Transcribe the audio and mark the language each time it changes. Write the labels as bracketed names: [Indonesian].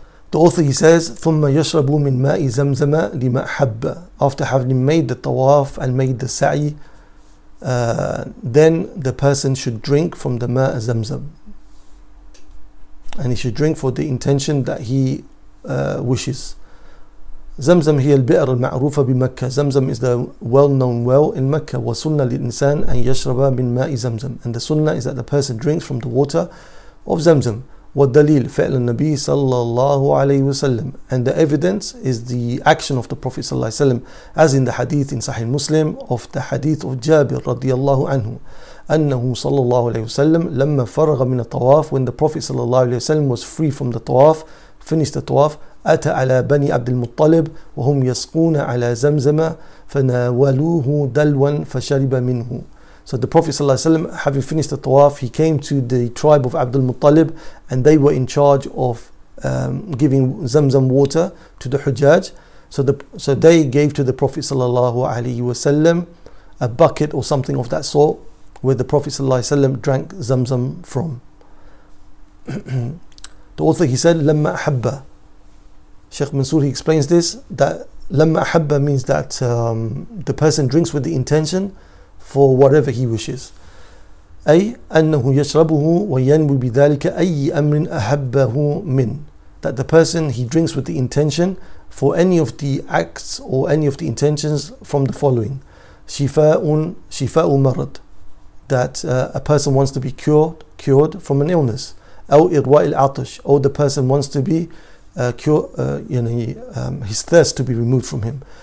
[English] The author, he says, [Arabic] ثُمَّ يَشْرَبُ مِنْ مَاءِ زَمْزَمَ لِمَا أَحَبَّ, [English] after having made the tawaf and made the sa'i, then the person should drink from the ma'a zamzam, and he should drink for the intention that he wishes. Zamzam [Arabic] هي البئر المعروفة بمكة, [English] zamzam is the well-known well in Mecca. [Arabic] وَسُنَّ لِلْإِنسَانِ أَنْ يَشْرَبَ مِنْ مَاءِ زَمْزَمَ, [English] and the sunnah is that the person drinks from the water of zamzam. [Arabic] والدليل فعل النبي صلى الله عليه وسلم. [English] And the evidence is the action of the Prophet صلى الله عليه وسلم, as in the hadith in Sahih Muslim of the hadith of Jabir [Arabic] رضي الله عنه أنه صلى الله عليه وسلم لما فرغ من الطواف, [English] when the Prophet صلى الله عليه وسلم was free from the tawaf, finished the tawaf, [Arabic] أتى على بني عبد المطلب وهم يسقون على زمزم فناولوه دلوا فشرب منه. [English] So the Prophet sallallahu alaihi wasallam, having finished the tawaf, he came to the tribe of Abdul Muttalib, and they were in charge of giving zamzam water to the Hujjaj. So they gave to the Prophet sallallahu alaihi wasallam a bucket or something of that sort, where the Prophet sallallahu alaihi wasallam drank zamzam from. The author, he said, "Lamma ahabba." Sheikh Mansour, he explains this, that "Lamma ahabba" means that the person drinks with the intention for whatever he wishes. [Arabic] أي أنه يشربه وينوي بذلك أي أمر أحبه من. [English] That the person, he drinks with the intention for any of the acts or any of the intentions from the following: [Arabic] شفاء مرض, [English] that a person wants to be cured from an illness. [Arabic] أو إرواء العطش, [English] or the person wants to be his thirst to be removed from him.